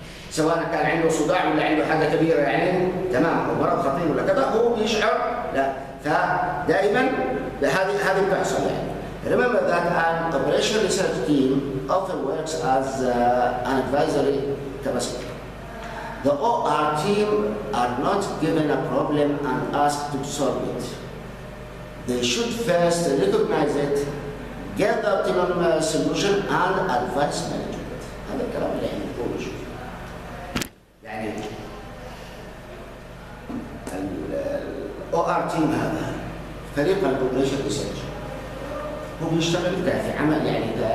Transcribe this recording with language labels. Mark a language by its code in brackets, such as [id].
[ar] سواء كان عنده صداع ولا عنده حاجه كبيره يعني تمام او مرض خطير ولا كذا هو بيشعر لا فدائما هذه بتحصل يعني [en] remember that an operational research team often works as an advisory capacity. The OR team are not given a problem and asked to solve it. They should first recognize it, get the optimum solution and advice management. [ar] هذا الكلام اللي احنا بنقوله شوف يعني الاو ار تيم هذا فريق البوبليشن ريسيرش هو بيشتغل في عمل يعني